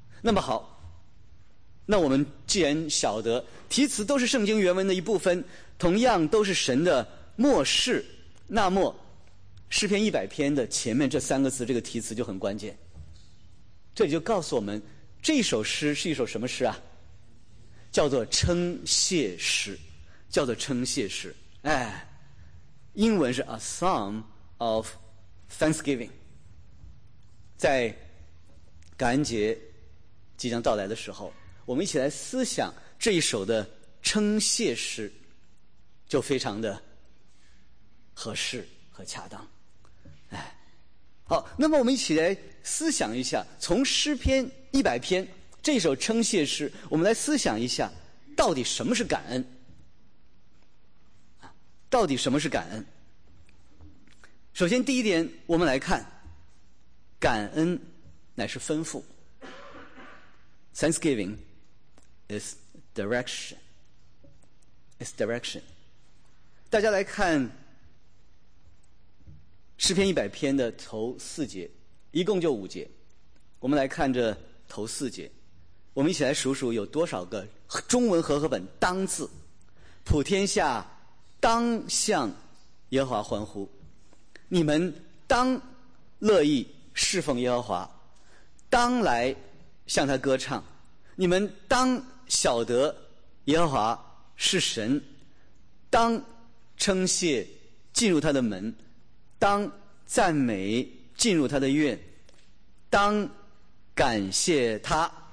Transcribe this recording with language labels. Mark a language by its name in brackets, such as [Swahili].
[Chinese] 那么好，那我们既然晓得题词都是圣经原文的一部分，同样都是神的默示，那么诗篇一百篇的前面这三个字，这个题词就很关键。这里就告诉我们，这首诗是一首什么诗啊？叫做称谢诗，叫做称谢诗。哎，英文是 [English] A Psalm of Thanksgiving。 [Chinese] 在感恩节即将到来的时候，我们一起来思想这一首的称谢诗，就非常的合适和恰当。好，那么我们一起来思想一下，从诗篇一百篇这首称谢诗，我们来思想一下到底什么是感恩，到底什么是感恩。首先第一点，我们来看感恩乃是吩咐。 [English] Thanksgiving is direction, is direction。 [Chinese] 大家来看诗篇一百篇的头四节，一共就五节，我们来看这头四节，我们一起来数数有多少个中文和合本当字。普天下当向耶和华欢呼，你们当乐意侍奉耶和华，当来向他歌唱，你们当晓得耶和华是神，当称谢进入他的门，当赞美进入他的院，当感谢他。